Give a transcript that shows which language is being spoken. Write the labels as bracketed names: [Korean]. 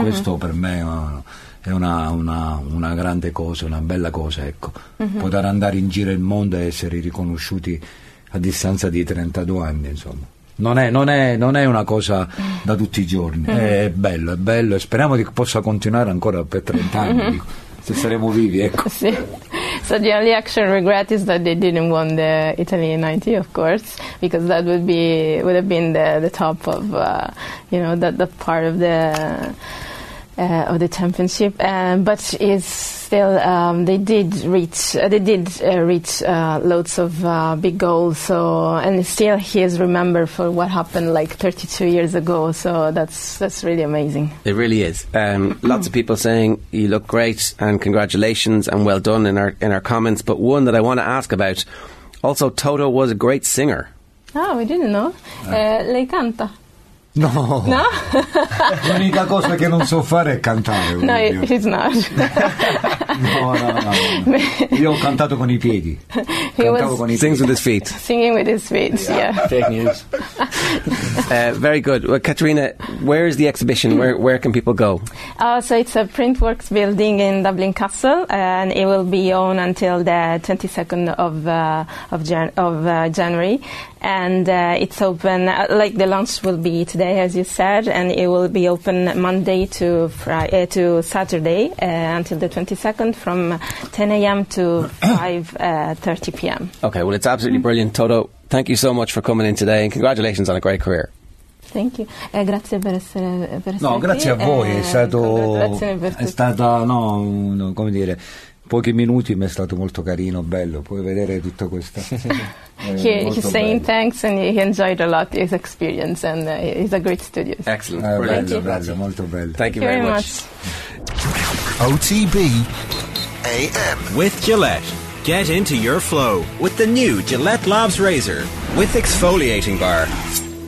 [Italian] questo per me è una grande cosa, una bella cosa, ecco. Mm-hmm. Poter andare in giro il mondo e essere riconosciuti a distanza di 32 anni, insomma. Non è una cosa da tutti i giorni. Mm-hmm. È bello. E speriamo che possa continuare ancora per 30 anni, mm-hmm. se saremo vivi, ecco. Sì. [English] So the only actual regret is that they didn't win the Italy 90, of course, because that would have been the top of that part of the championship. But it's still they did reach loads of big goals. So, and still he is remembered for what happened like 32 years ago. So that's really amazing. It really is. Lots of people saying you look great and congratulations and well done in our comments. But one that I want to ask about, also Toto was a great singer. Ah, we didn't know. [Italian] Lei canta. No, no? L'unica cosa che non so fare è cantare. [English] No, he's not. [Italian] No. Io ho cantato con i piedi. [English] Sings with his feet. Singing with his feet, yeah. Fake news. Very good. Well, Katrina, where is the exhibition? Where can people go? So it's a Printworks building in Dublin Castle, and it will be on until the 22nd of January. And it's open, like the launch will be today, as you said, and it will be open Monday to Saturday until the 22nd from 10 a.m. to 5:30 p.m. Okay, well, it's absolutely brilliant. Toto, thank you so much for coming in today and congratulations on a great career. Thank you. [Italian] Grazie per essere qui. No, grazie a voi. È stato, come dire... Pochi minuti, ma è stato molto carino, bello. Puoi vedere tutta questa. [English] he's saying bello. Thanks and he enjoyed a lot his experience and he's a great studio. Excellent. [Italian] Bello, molto bello. [English] Thank you very much. OTB AM with Gillette. Get into your flow with the new Gillette Labs Razor with exfoliating bar.